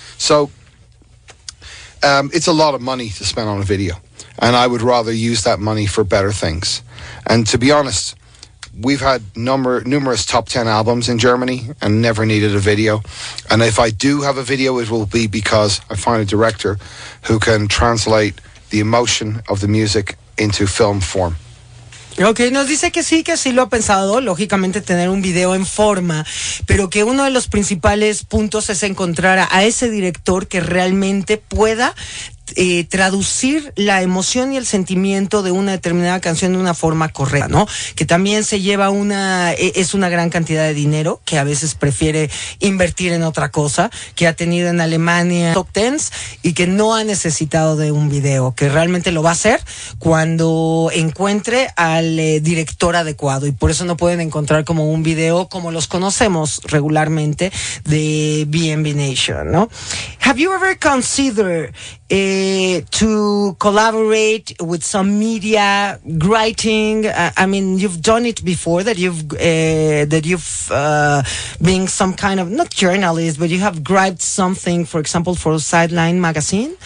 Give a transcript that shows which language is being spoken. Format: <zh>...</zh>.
<en>So it's a lot of money to spend on a video, and I would rather use that money for better things. And to be honest, we've had numerous top 10 albums in Germany and never needed a video. And if I do have a video, it will be because I find a director who can translate the emotion of the music into film form.</en> <es>Okay, nos dice que sí lo ha pensado, lógicamente tener un video en forma, pero que uno de los principales puntos es encontrar a ese director que realmente pueda traducir la emoción y el sentimiento de una determinada canción de una forma correcta, ¿no? Que también se lleva es una gran cantidad de dinero, que a veces prefiere invertir en otra cosa, que ha tenido en Alemania top tens y que no ha necesitado de un video, que realmente lo va a hacer cuando encuentre al director adecuado, y por eso no pueden encontrar como un video como los conocemos regularmente de B&B Nation, ¿no?</es> <en>Have you ever considered to collaborate with some media writing? I mean, you've done it before, been some kind of, not journalist, but you have grabbed something, for example, for Sideline magazine.</en>